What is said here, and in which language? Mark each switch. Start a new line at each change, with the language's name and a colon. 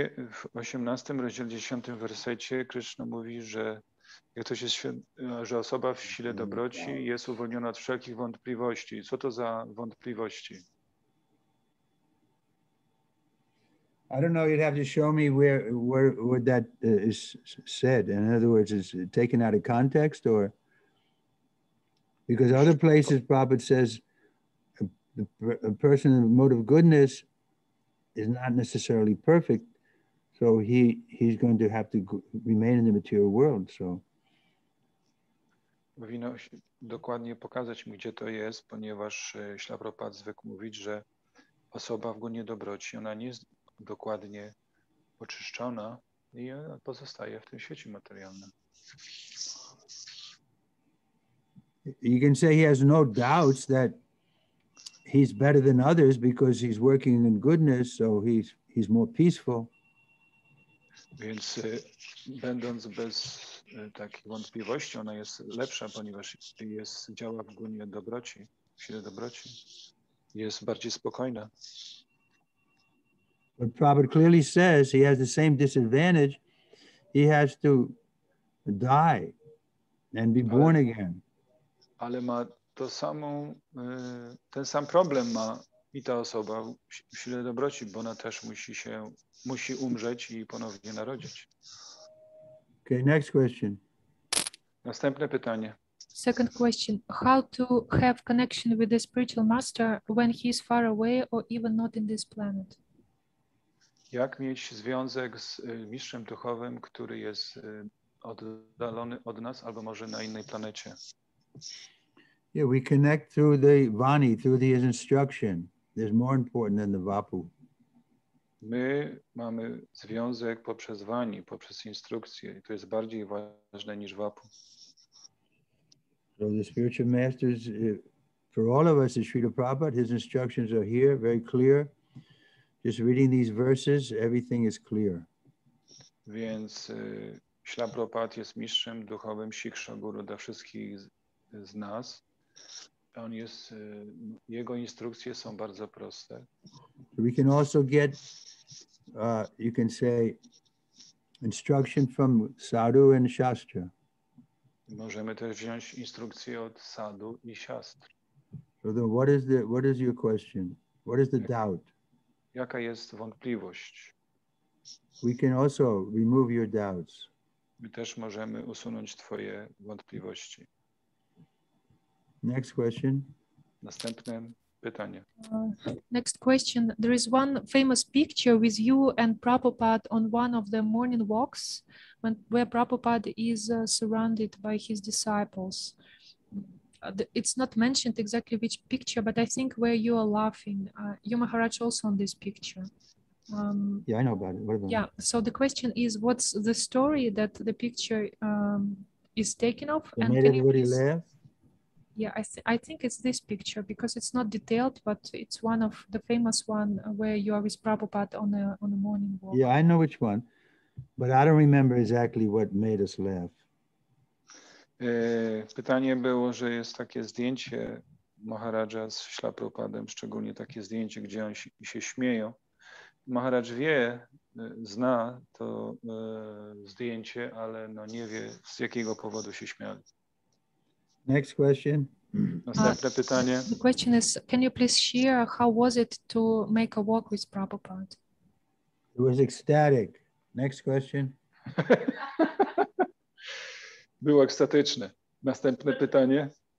Polish: W 18 rozdziale 10 wersecie Krishna mówi, że jak ktoś jest że osoba w sile dobroci jest uwolniona od wszelkich wątpliwości. Co to za wątpliwości?
English: I don't know, you'd have to show me where that is said. In other words, is it taken out of context or because other places Prabhupada says a person in the mode of goodness is not necessarily perfect, so he's going to have to remain in the material world. So,
Polish: powinno dokładnie pokazać mi, gdzie to jest, ponieważ Śla Prabhupada zwykł mówić, że osoba w gunie dobroci, ona nie jest dokładnie oczyszczona i pozostaje w tym świecie materialnym.
English: You can say he has no doubts that he's better than others because he's working in goodness, so he's more peaceful.
Polish: Więc będąc bez takich wątpliwości, ona jest lepsza, ponieważ jest działa w gunie dobroci, w sile dobroci, jest bardziej spokojna.
English: But Prabhupada clearly says he has the same disadvantage. He has to die and be born again.
Polish: Ale ma to samą, ten sam problem ma i ta osoba w sile dobroci, bo ona też musi umrzeć i ponownie narodzić.
English: Okay, next question.
Polish: Następne pytanie.
English: Second question. How to have connection with the spiritual master when he is far away or even not in this planet?
Polish: Jak mieć związek z mistrzem duchowym, który jest oddalony od nas albo może na innej planecie?
English: Yeah, we connect through the vani, through the instruction. There's more important than the vapu.
Polish: My mamy związek poprzez vani, poprzez instrukcję. To jest bardziej ważne niż vapu.
English: So the spiritual masters, for all of us, is Srila Prabhupada. His instructions are here, very clear. Just reading these verses, everything is clear.
Polish: Więc Śla Prabhupada jest mistrzem duchowym Siksza Guru dla wszystkich z nas. On jest, jego instrukcje są bardzo proste.
English: We can also get, you can say, instruction from sadhu and shastra.
Polish: Możemy też wziąć instrukcje od sadhu i siastr.
English: So then what is your question? What is the doubt?
Polish: Jaka jest wątpliwość?
English: We can also remove your doubts.
Polish: My też możemy usunąć twoje wątpliwości.
English: Next question.
Polish: Następne pytanie.
English: Next question. There is one famous picture with you and Prabhupada on one of the morning walks where Prabhupada is surrounded by his disciples. It's not mentioned exactly which picture, but I think where you are laughing. You, Maharaj, also on this picture. Yeah, I know about it. So the question is, what's the story that the picture is taken of? They and made everybody please... laugh? Yeah, I think it's this picture because it's not detailed, but it's one of the famous one where you are with Prabhupada on a morning walk. Yeah, I know which one, but I don't remember exactly what made us laugh.
Polish: Pytanie było, że jest takie zdjęcie Maharaja z Śla Prabhupadem, szczególnie takie zdjęcie, gdzie on się śmieją. Maharaj wie, zna to zdjęcie, ale no nie wie, z jakiego powodu się śmiali.
English: Next question.
Polish: Następne pytanie.
English: The question is, can you please share how was it to make a walk with Prabhupada? It was ecstatic. Next question.
Polish: Było ekstatyczne. Następne pytanie.